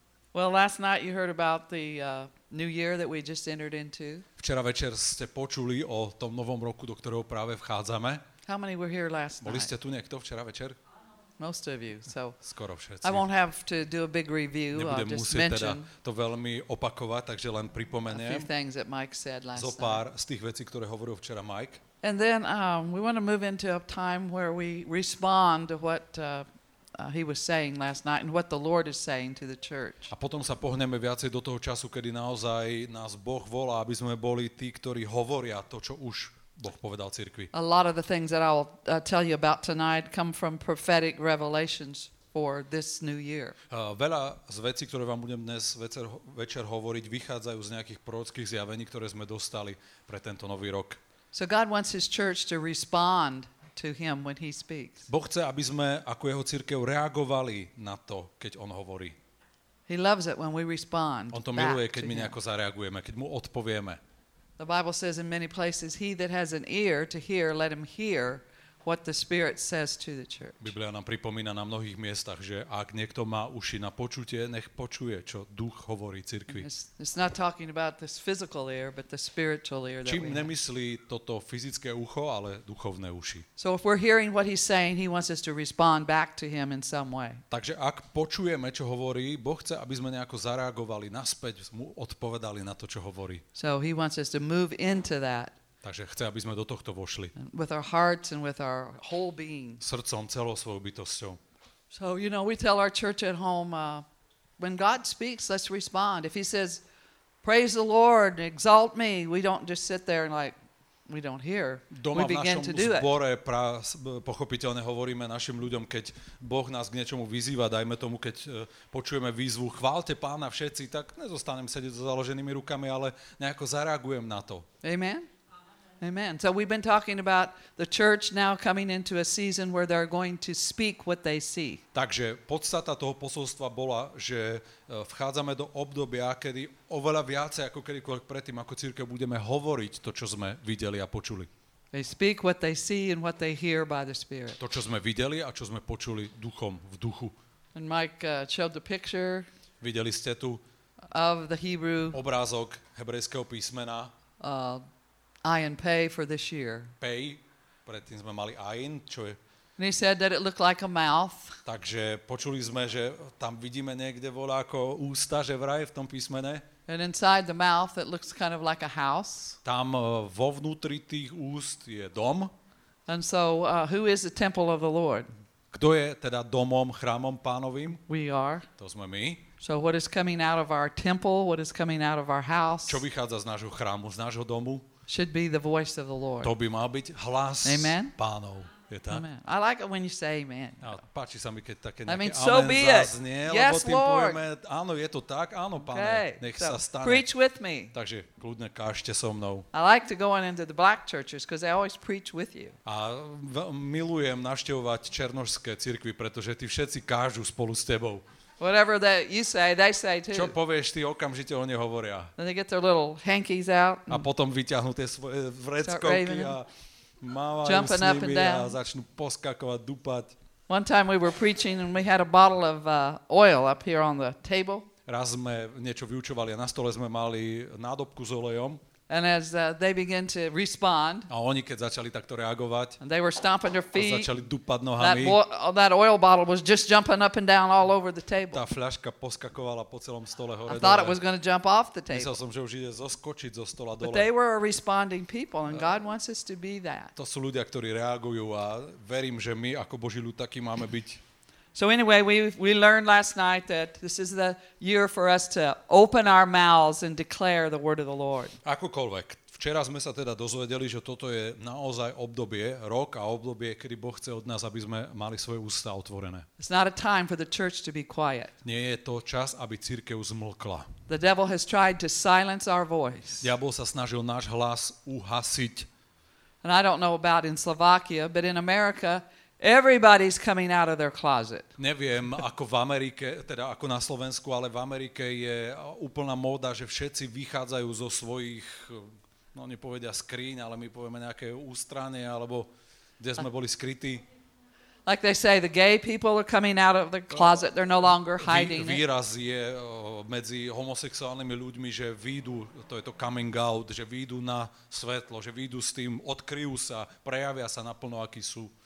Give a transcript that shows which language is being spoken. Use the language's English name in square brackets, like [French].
[English] Well, last night you heard about the new year that we just entered into. [Slovak] Včera večer ste počuli o tom novom roku, do ktorého práve vchádzame. [English] How many were here last night? [Slovak] Boli ste tu niekto včera večer? [English] Most of you. So [Slovak] skoro všetci. [English] I won't have to do a big review. [Slovak] Nebudem [English] I'll just mention [Slovak] teda to veľmi opakovať, takže len pripomeniem. [English] A few things that Mike said last [Slovak] zo pár z tých vecí, ktoré hovoril včera Mike. [English] And then we want to move into a time where we respond to what he was saying last night and what the Lord is saying to the church. [Slovak] A potom sa pohneme viacej do toho času, kedy naozaj nás Boh volá, aby sme boli tí, ktorí hovoria to, čo už Boh povedal cirkvi. [English] A lot of the things that I'll tell you about tonight come from prophetic revelations for this new year. [Slovak] Veľa z vecí, ktoré vám budem dnes večer hovoriť, vychádzajú z nejakých prorockých zjavení, ktoré sme dostali pre tento nový rok. [English] So God wants his church to respond to him when he speaks. [Slovak] Boh chce, aby sme ako jeho cirkev reagovali na to, keď on hovorí. [English] He loves it when we respond. [Slovak] On to miluje, keď my nejako zareagujeme, keď mu odpovieme. [English] The Bible says in many places he that has an ear to hear let him hear what the Spirit says to the church. [Slovak] Biblia nám pripomína na mnohých miestach, že ak niekto má uši na počutie, nech počuje, čo Duch hovorí cirkvi. [English] It's not talking about this physical ear, but the spiritual ear. [Slovak] Čím nemyslí toto fyzické ucho, ale duchovné uši. [English] So if we're hearing what he's saying, he wants us to respond back to him in some way. [Slovak] Takže ak počujeme, čo hovorí, Boh chce, aby sme nejako zareagovali naspäť, mu odpovedali na to, čo hovorí. [English] So he wants us to move into that. [Slovak] Takže chce, aby sme do tohto vošli. [English] With our hearts and with our whole being. [Slovak] Srdcom, celou svojou bytosťou. [English] So, you know, we tell our church at home, when God speaks, let's respond. If he says, praise the Lord, exalt me, we don't just sit there and like, we don't hear. [Slovak] Doma v našom zbore pochopiteľne hovoríme našim ľuďom, keď Boh nás k niečomu vyzýva, dajme tomu, keď počujeme výzvu, chváľte Pána všetci, tak nezostanem sedieť so založenými rukami, ale nejako zareagujem na to. [English] Amen. Amen. So we've been talking about the church now coming into a season where they're going to speak what they see. [Slovak] Takže podstata toho posolstva bola, že vchádzame do obdobia, kedy oveľa viacej ako kedykoľvek predtým ako cirkev budeme hovoriť to, čo sme videli a počuli. [English] They speak what they see and what they hear by the Spirit. [Slovak] To, čo sme videli a čo sme počuli duchom v duchu. [English] And Mike showed the picture. [Slovak] Videli ste tu [English] of the Hebrew [Slovak] obrázok hebrejského písmena. [English] Ayin pay for this year. [Slovak] Pay, predtým sme mali ayin, čo je. [English] And he said that it looked like a mouth. [Slovak] Takže počuli sme, že tam vidíme niekde voláko ústa, že vraj v tom písmene. [English] And inside the mouth it looks kind of like a house. [Slovak] Tam vo vnútri tých úst je dom. [English] And so who is the temple of the Lord? [Slovak] Kto je teda domom, chrámom Pánovým? [English] We are. [Slovak] To sme my. [English] So what is coming out of our temple, what is coming out of our house? [Slovak] Čo vychádza z nášho chrámu, z nášho domu? [English] Should be the voice of the Lord. [Slovak] To by mal byť hlas [English] amen? [Slovak] Pánov. Je tak? [English] Amen. I like it when you say amen. [Slovak] A páči sa mi, keď také nejaké amen zaznie, [English] yes, [Slovak] lebo tým povieme, áno, je to tak, áno, Pane, [English] okay. [Slovak] Nech sa stane. [English] Preach with me. [Slovak] Takže kľudne kážte so mnou. [English] I like to go on into the black churches because they always preach with you. [Slovak] A milujem navštevovať černošské cirkvi, pretože tí všetci kážu spolu s tebou. [English] Whatever that you say, they say too. [Slovak] Čo povieš ty, okamžite oni hovoria. [English] Then they get their little hankies out. [Slovak] A potom vyťahnú tie svoje vreckovky a mávajú s nimi a začnú poskakovať, dupať. [English] One time we were preaching and we had a bottle of oil up here on the table. [Slovak] Raz sme niečo vyučovali a na stole sme mali nádobku s olejom. [English] And as they began to respond, [Slovak] a oni keď začali takto reagovať, [English] and they were stomping their feet, [Slovak] a začali dupať nohami, [English] that oil bottle was just jumping up and down all over the table. [Slovak] Tá fľaška poskakovala po celom stole hore. [English] I thought it was going to jump off the table. [Slovak] Myslel som, že už ide zoskočiť zo stola dole. [English] But they were responding people, and God wants us to be that. [Slovak] To sú ľudia, ktorí reagujú, a verím, že my ako Boží ľud taký máme byť. [English] So anyway, we learned last night that this is the year for us to open our mouths and declare the word of the Lord. [Slovak] Akokoľvek. Včera sme sa teda dozvedeli, že toto je naozaj obdobie, rok a obdobie, kedy Boh chce od nás, aby sme mali svoje ústa otvorené. [English] It's not a time for the church to be quiet. [Slovak] Nie je to čas, aby cirkev zmlkla. [English] The devil has tried to silence our voice. [Slovak] Diabol sa snažil náš hlas uhasiť. [English] And I don't know about in Slovakia, but in America everybody's coming out of their closet. [Slovak] Neviem, ako v Amerike, teda ako na Slovensku, ale v Amerike je úplná móda, že všetci vychádzajú zo svojich, no nepovedia skrín, ale my povieme nejaké ústranie, alebo kde sme boli skrytí. [English] Like they say, the gay people are coming out of the closet. They're no longer hiding it. [Slovak] Výraz je medzi homosexuálnymi ľuďmi, že výjdu, to je to coming out, že výjdu na svetlo, že výjdu s tým, odkryjú sa, prejavia sa naplno, akí sú.